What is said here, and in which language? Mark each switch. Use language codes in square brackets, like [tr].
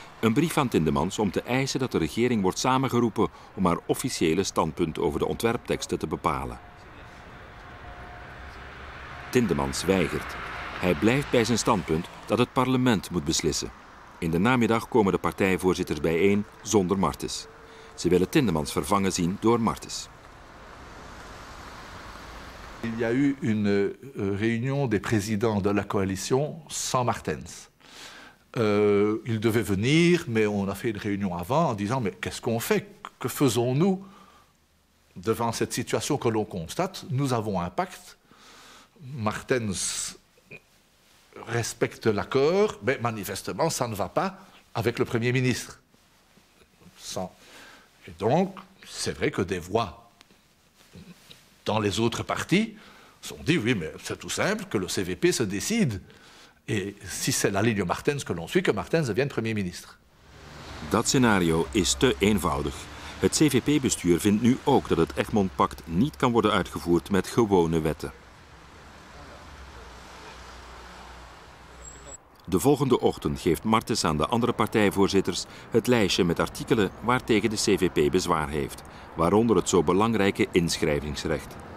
[nl] een brief aan Tindemans om te eisen dat de regering wordt samengeroepen om haar officiële standpunt over de ontwerpteksten te bepalen. Tindemans weigert. Hij blijft bij zijn standpunt dat het parlement moet beslissen. In de namiddag komen de partijvoorzitters bijeen zonder Martens. Ze willen Tindemans vervangen zien door Martens. [fr] Il y a eu une réunion des présidents de la coalition sans Martens. Il devait venir, mais on a fait une réunion avant en disant « Mais qu'est-ce qu'on fait? Que faisons-nous devant cette situation que l'on constate? Nous avons un pacte, Martens respecte l'accord, mais manifestement, ça ne va pas avec le Premier ministre. Et donc, c'est vrai que des voix dans les autres partis sont dit, oui, mais c'est tout simple, que le CVP se décide. Et si c'est la ligne Martens que l'on suit, que Martens devienne Premier ministre. [nl] Dat scenario is te eenvoudig. Het CVP-bestuur vindt nu ook dat het Egmond-pact niet kan worden uitgevoerd met gewone wetten. De volgende ochtend geeft Martens aan de andere partijvoorzitters het lijstje met artikelen waartegen de CVP bezwaar heeft, waaronder het zo belangrijke inschrijvingsrecht.